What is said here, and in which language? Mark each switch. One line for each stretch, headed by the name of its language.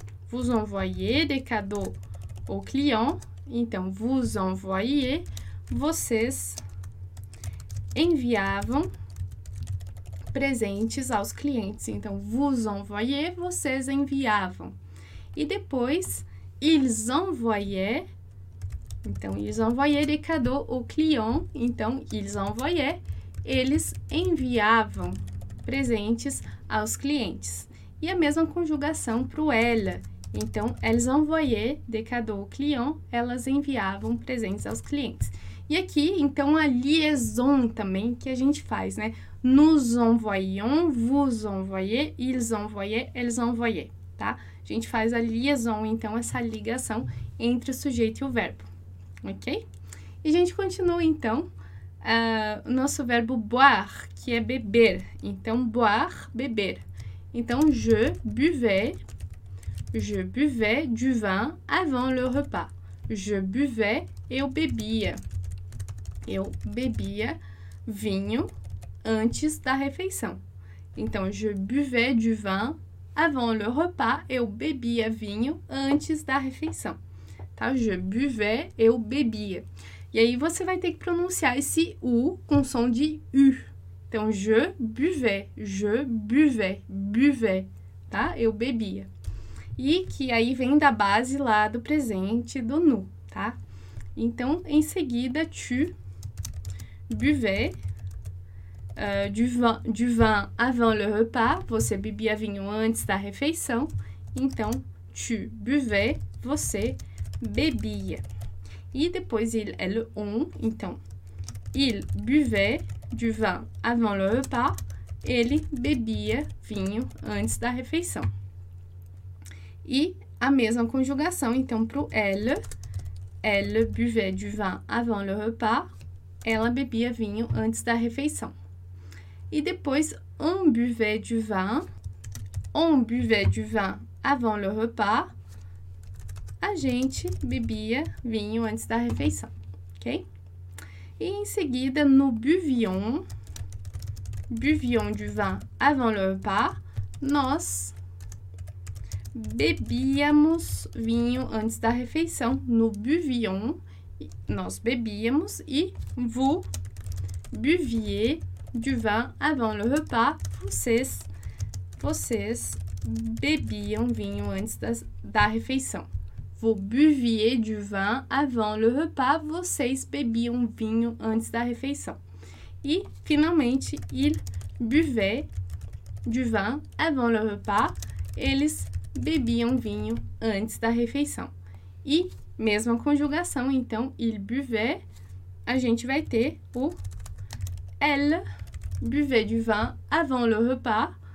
French: Vous envoyez des cadeaux au client.
Portuguese: Então,
French: vous envoyez,
Portuguese: vocês enviavam presentes aos clientes. Então,
French: vous envoyez,
Portuguese: vocês enviavam. E depois,
French: ils envoyaient. Então, ils envoyaient des cadeaux au client.
Portuguese: Então,
French: ils envoyaient,
Portuguese: eles enviavam presentes aos clientes. E a mesma conjugação para o elle. Então,
French: elles envoyaient des cadeaux au client,
Portuguese: elas enviavam presentes aos clientes. E aqui, então, a liaison também que a gente faz, né?
French: Nous envoyons, vous envoyez, ils envoyaient, elles envoyaient, tá?
Portuguese: A gente faz a liaison, então, essa ligação entre o sujeito e o verbo, ok? E a gente continua, então, o nosso verbo boire, que é beber. Então, boire, beber.
French: Então, je buvais du vin avant le repas. Je buvais,
Portuguese: eu bebia. Eu bebia vinho antes da refeição.
French: Então, je buvais du vin avant le repas.
Portuguese: Eu bebia vinho antes da refeição. Tá?
French: Je buvais,
Portuguese: eu bebia. E aí, você vai ter que pronunciar esse U com som de U. Então,
French: je buvais, buvais,
Portuguese: tá? Eu bebia. E que aí vem da base lá do presente do nu, tá? Então, em seguida,
French: tu buvais du vin avant le repas.
Portuguese: Você bebia vinho antes da refeição. Então,
French: tu buvais,
Portuguese: você bebia. E depois, il, elle, on.
French: Então, il buvait du vin avant le repas.
Portuguese: Ele bebia vinho antes da refeição. E a mesma conjugação, então, para o elle.
French: Elle buvait du vin avant le repas.
Portuguese: Ela bebia vinho antes da refeição. E depois,
French: on buvait du vin. On buvait du vin avant le repas.
Portuguese: A gente bebia vinho antes da refeição, ok? E em seguida,
French: nous buvions. Buvions du vin avant le repas.
Portuguese: Nós bebíamos vinho antes da refeição.
French: Nous buvions.
Portuguese: Nós bebíamos.
French: E vous buviez du vin avant le repas.
Portuguese: Vocês bebiam vinho antes da refeição.
French: Vous buviez du vin avant le repas.
Portuguese: Vocês bebiam vinho antes da refeição. E, finalmente,
French: il buvait du vin avant le repas.
Portuguese: Eles bebiam vinho antes da refeição. E, mesma conjugação, então,
French: il buvait,
Portuguese: a gente vai ter o
French: elle buvait du vin avant le repas.